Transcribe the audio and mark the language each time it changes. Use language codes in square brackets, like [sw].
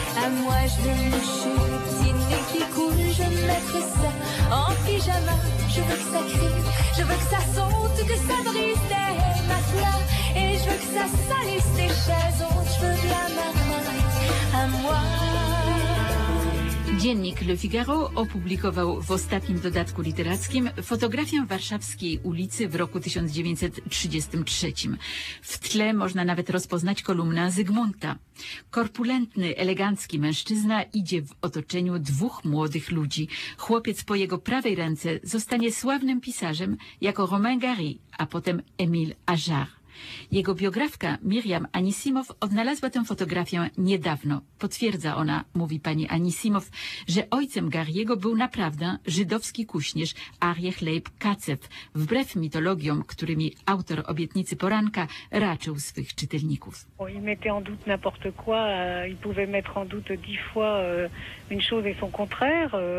[fr] À moi je veux une chutine qui coule. Je veux mettre ça en pyjama. Je veux que ça crie, je veux que ça saute, que ça brise l'air. plat et je veux que ça salisse tes chaises. Oh, je veux de la marmite à moi. [pl] Dziennik Le Figaro opublikował w ostatnim dodatku literackim fotografię warszawskiej ulicy w roku 1933. W tle można nawet rozpoznać kolumna Zygmunta. Korpulentny, elegancki mężczyzna idzie w otoczeniu dwóch młodych ludzi. Chłopiec po jego prawej ręce zostanie sławnym pisarzem jako Romain Gary, a potem Émile Ajar. Jego biografka Miriam Anisimow odnalazła tę fotografię niedawno. Potwierdza ona, mówi pani Anisimow, że ojcem Gariego był naprawdę żydowski kuśnierz Arye Chleib Kacef, wbrew mitologiom, którymi autor Obietnicy Poranka raczył swych czytelników. [fr] Il mettait en doute n'importe quoi, il pouvait mettre en doute 10 fois une chose et son contraire.